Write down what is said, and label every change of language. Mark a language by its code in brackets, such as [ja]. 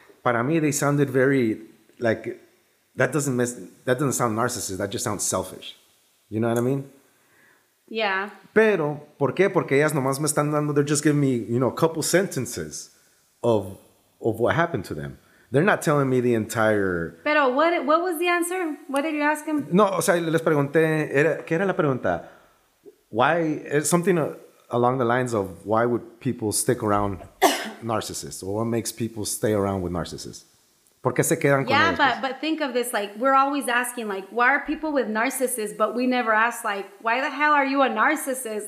[es] para mí [en] they sounded very like that doesn't sound narcissist, that just sounds selfish. You know what I mean? Yeah. [es] Pero, ¿por qué? Porque ellas nomás me están dando, [en] they're just giving me, you know, a couple sentences of what happened to them. They're not telling me the entire... Pero, what was the answer? What did you ask him? [es] No, o sea, les pregunté, ¿qué era la pregunta? [en] Why, something along the lines of, why would people stick around narcissists? Or what makes people stay around with narcissists? [es] ¿Por qué se quedan con ellos? [en] But think of this, like, we're always asking, like, why are people with narcissists, but we never ask, like, why the hell are you a narcissist?